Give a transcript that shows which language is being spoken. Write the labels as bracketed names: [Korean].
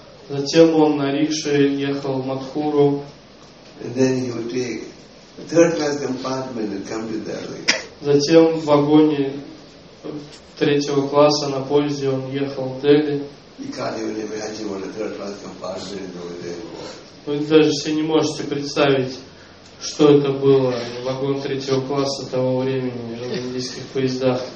[Russian] Затем он на рикше ехал в Матхуру. [English] And then he would take a third class compartment and come to Delhi. [Russian] Затем в вагоне третьего класса на поезде он ехал в Дели. [English] You can't even imagine what a third class compartment in Delhi was. [Russian] Вы даже себе не можете представить, что это было, вагон третьего класса того времени в индийских поездах.